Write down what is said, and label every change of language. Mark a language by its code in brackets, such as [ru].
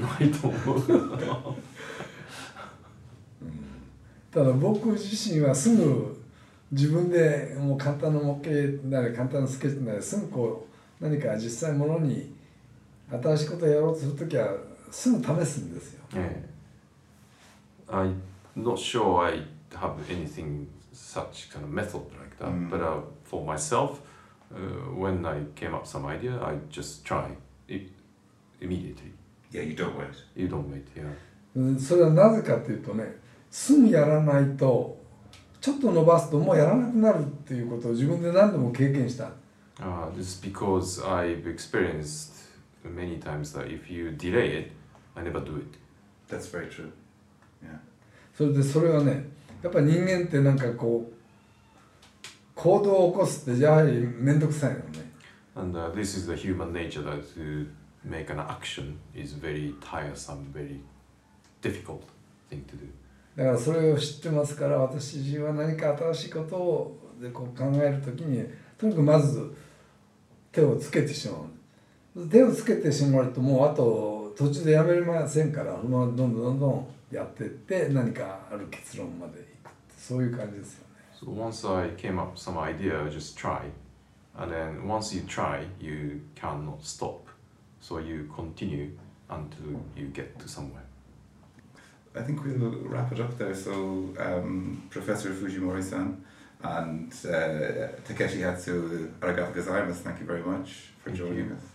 [ja] ないと思う。ただ僕自身はすぐ自分でもう簡単な模型なり簡単なスケッチなりすぐこう何か実際ものに新しいことをやろうとするときはすぐ試すんですよ。 [en] Yeah. I'm not sure I have anything such kind of method like that,、mm. but、for myself,、when I came up some idea, I just try it immediately. Yeah, you don't wait. You don't wait, yeah. [ja] それはなぜかというとね、すぐやらないとちょっと伸ばすともうやらなくなるっていうことを自分で何度も経験した。 [en] This is because I've experienced many times that if you delay it, I never do it. That's very true. Yeah. [ja] それでそれはね、やっぱり人間ってなんかこう行動を起こすってやはり面倒くさいよね。 [en] And、this is the human nature that to make an action is very tiresome, very difficult thing to do. [ja] だからそれを知ってますから私自身は何か新しいことをでこう考えるときにとにかくまず手をつけてしまう。手をつけてしまうともうあと途中でやめませんからどんどんどんどんやっていって何かある結論までいくってそういう感じですよね。 [en] So once I came up some idea, I just try. And then once you try, you cannot stop. So you continue until you get to somewhere. I think we'll wrap it up there. So, Professor Fujimori-san and Takeshi Hatsu, [ja] arigato gozaimasu, [en] thank you very much for joining us.